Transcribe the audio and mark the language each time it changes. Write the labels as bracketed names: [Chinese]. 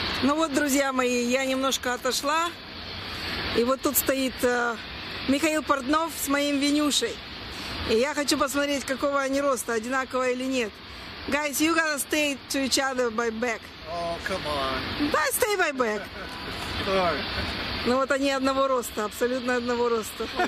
[Russian] Ну вот, друзья мои, я немножко отошла, и вот тут стоит Михаил Портнов с моим Винюшей. И я хочу посмотреть, какого они роста, одинаково или нет. [English] Guys, you gotta stay to each other by back. Oh, come on. But stay by back. Sorry. [Russian] Ну вот они одного роста, абсолютно одного роста.